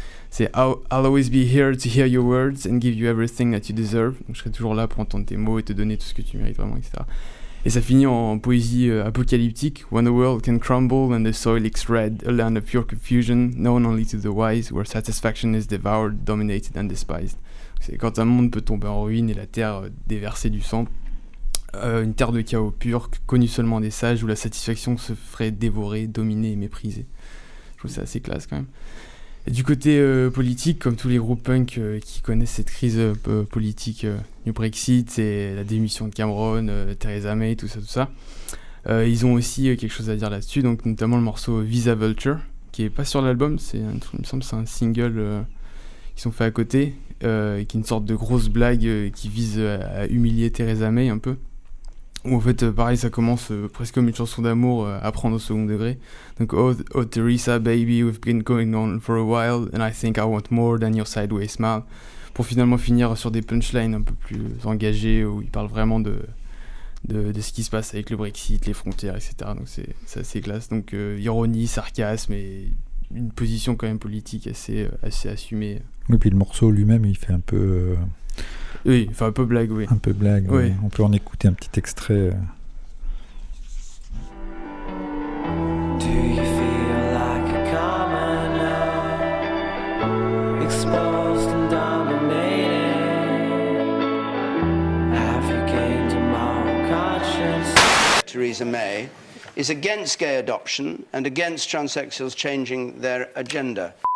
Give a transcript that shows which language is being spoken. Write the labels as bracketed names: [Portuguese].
[French] C'est [English] I'll always be here to hear your words and give you everything that you deserve. [French] Donc je serai toujours là pour entendre tes mots et te donner tout ce que tu mérites vraiment, etc. Et ça finit en poésie apocalyptique. [English] When the world can crumble and the soil looks red, a land of pure confusion, known only to the wise, where satisfaction is devoured, dominated and despised. [French] C'est quand un monde peut tomber en ruine et la terre déverser du sang. Une terre de chaos pur, connue seulement des sages, où la satisfaction se ferait dévorer, dominer et mépriser. Je trouve ça assez classe quand même. Et du côté politique, comme tous les groupes punk qui connaissent cette crise politique du Brexit et la démission de Cameron, Theresa May, tout ça, ils ont aussi quelque chose à dire là-dessus, donc notamment le morceau Visa Vulture, qui n'est pas sur l'album, c'est un single qu'ils ont fait à côté, qui est une sorte de grosse blague qui vise à humilier Theresa May un peu. Où en fait, pareil, ça commence presque comme une chanson d'amour à prendre au second degré. [English] Donc, oh Theresa, baby, we've been going on for a while, and I think I want more than your sideways smile. [French] Pour finalement finir sur des punchlines un peu plus engagées, où il parle vraiment de ce qui se passe avec le Brexit, les frontières, etc. Donc, c'est assez classe. Donc, ironie, sarcasme, et une position quand même politique assez assumée. Oui, puis le morceau lui-même, il fait un peu... Oui, enfin un peu blague, oui. Un peu blague, oui. On peut en écouter un petit extrait. [English] Do you feel like a commoner, exposed and dominated? Have you gained a moral conscience? Theresa May is against gay adoption and against transsexuals changing their agenda.